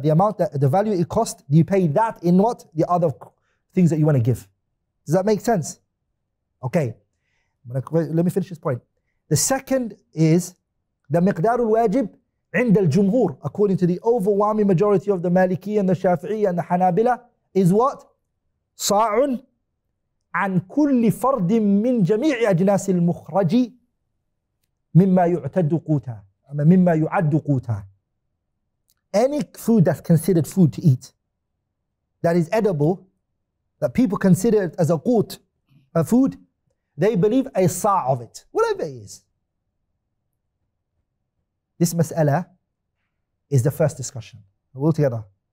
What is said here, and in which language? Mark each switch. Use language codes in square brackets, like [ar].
[en] The amount, that the value it costs, do you pay that in what? The other things that you want to give. Does that make sense? Okay. Let me finish this point. The second is, the miqdar al-wajib [ar] عند الجمهور, [en] according to the overwhelming majority of the Maliki and the Shafi'i and the Hanabila, is what? [ar] Sa'un عن كل فرد من جميع أجناس المخرج مما يعتد قوتها. مما يعد قوتها. [en] Any food that's considered food to eat, that is edible, that people consider it as a qut, a food, they believe a sa' of it, whatever it is. This mas'ala is the first discussion. We're all together.